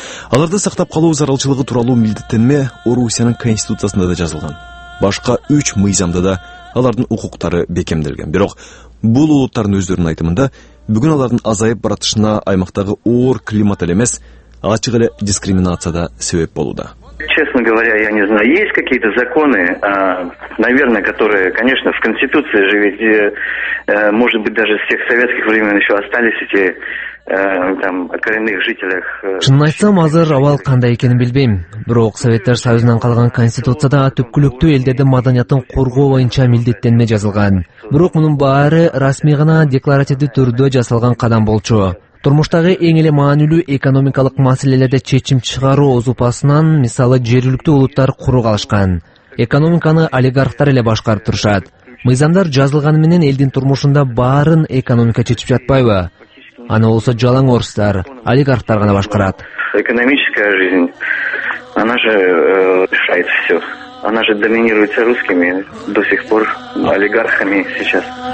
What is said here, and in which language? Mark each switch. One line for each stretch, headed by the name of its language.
Kyrgyz: Аларды сактап калуу зарылчылыгы тууралуу милдеттенме Орусиянын конституциясында да жазылган. Башка 3 мыйзамда да алардын укуктары бекемделген. Бирок бул улуттардын өздөрүнүн айтымында бүгүн алардын азайып баратышына аймактагы оор климат эле эмес, ачык эле дискриминация да себеп болууда.
Russian: Честно говоря, я не знаю, есть какие-то законы, наверное, которые, конечно, в Конституции же ведь, может быть, даже с тех советских времен еще остались эти там коренных жителях.
Kyrgyz: Чын айтсам, азыр абал кандай экенин билбейм. Бирок Советтер Союзунан калган конституцияда түпкүлүктүү элдердин маданиятын коргоо боюнча милдеттенме жазылган. Бирок мунун баары расмий гана декларативдүү түрдө жасалган кадам болчу. Турмуштагы эң эле маанилүү экономикалык маселелерде чечим чыгаруу озупасынан, мисалы, жергиликтүү улуттар куру калышкан. Экономиканы олигархтар эле башкарып турушат. Мыйзамдар жазылганы менен элдин турмушунда баарын экономика чечип жатпайбы? Аны болсо жалаң орустар, олигархтар гана башкарат.
Russian: Экономическая жизнь, она же решает все. Она же доминируется русскими до сих пор, олигархами сейчас.